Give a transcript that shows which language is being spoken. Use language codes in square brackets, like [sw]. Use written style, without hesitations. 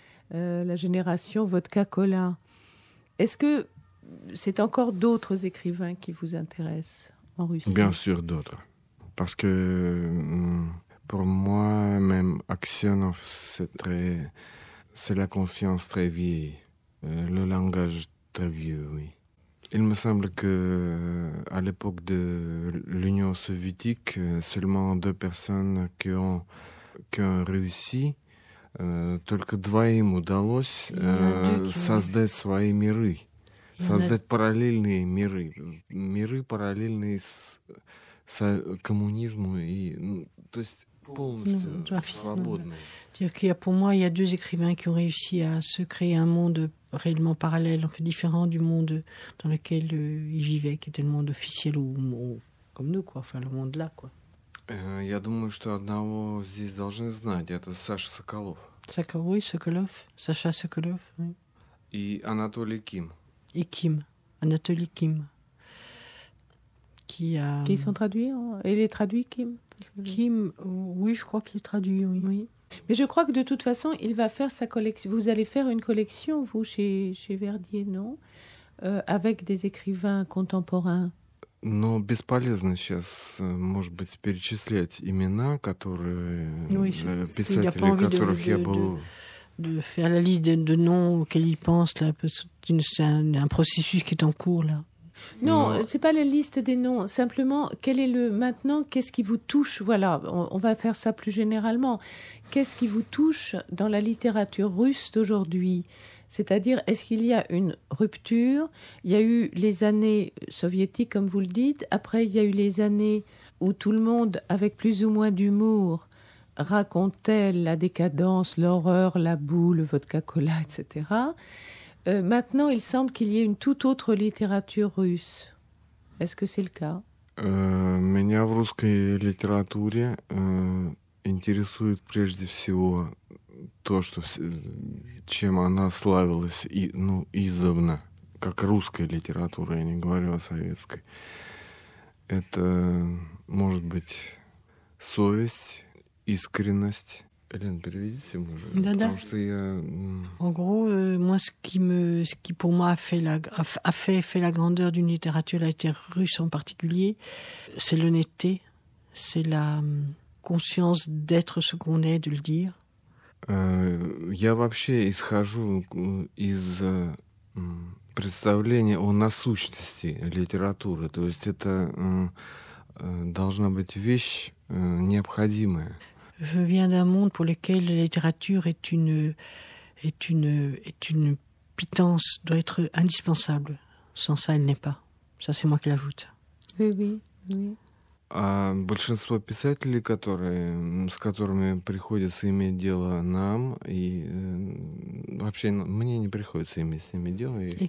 [fr] La génération Vodka-Cola. Est-ce que c'est encore d'autres écrivains qui vous intéressent en Russie? Bien sûr, d'autres. Parce que pour moi, même Aksionov, c'est la conscience très vieille, le langage très vieux, oui. Il me semble qu'à l'époque de l'Union soviétique, seulement deux personnes qui ont réussi, [ru] только двоим удалось создать свои миры, создать параллельные миры, миры параллельные с коммунизму и, то есть полностью свободные. [fr] Dire qu'il y a pour moi, il y a deux écrivains qui ont réussi à se créer un monde réellement parallèle, en fait différent du monde dans lequel ils vivaient, qui était le monde officiel ou comme nous, quoi, enfin le monde là, quoi. [ru] Я думаю, что одного здесь должны знать, это Саша Соколов. Саша Соколов, [fr] oui. [ru] И Анатолий Ким. И Ким, Анатолий Ким. [fr] Qui a... Qui sont traduits, hein? Il est traduit, Ким? Ким, oui, je crois qu'il est traduit, oui. Oui. Mais je crois que de toute façon, il va faire sa collection. Vous allez faire une collection, vous, chez Verdier, non? Avec des écrivains contemporains. Non, [ru] бесполезно сейчас, может быть, перечислять имена, которые писатели, которых я был. [fr] de faire la liste de noms auxquels il pense, là, parce que c'est un processus qui est en cours, là. Non, ce n'est pas la liste des noms. Simplement, quel est le maintenant? Qu'est-ce qui vous touche? Voilà, on va faire ça plus généralement. Qu'est-ce qui vous touche dans la littérature russe d'aujourd'hui? C'est-à-dire, est-ce qu'il y a une rupture? Il y a eu les années soviétiques, comme vous le dites. Après, il y a eu les années où tout le monde, avec plus ou moins d'humour, racontait la décadence, l'horreur, la boue, le vodka-cola, etc. Maintenant, il semble qu'il y ait une toute autre littérature russe. Est-ce que c'est le cas? [ru] Меня в русской литературе интересует прежде всего то, что чем она славилась и ну издавна, как русская литература. Я не говорю о советской. Это может быть совесть, искренность. [fr] Hélène, [ru] переведите, [fr] moi, je... [ru] Да-да. Потому что я... [fr] En gros, moi, ce qui pour moi a fait la grandeur d'une littérature, la littérature russe en particulier, c'est l'honnêteté, c'est la conscience d'être ce qu'on est, de le dire. [ru] Я вообще исхожу из представления о насущности литературы. То есть это должна быть вещь необходимая. [fr] Je viens d'un monde pour lequel la littérature est une pitance, doit être indispensable. Sans ça, elle n'est pas. Ça, c'est moi qui l'ajoute. Oui, oui, oui. [ru] А большинство писателей, с которыми приходится иметь дело нам, и вообще мне не приходится иметь с ними дело.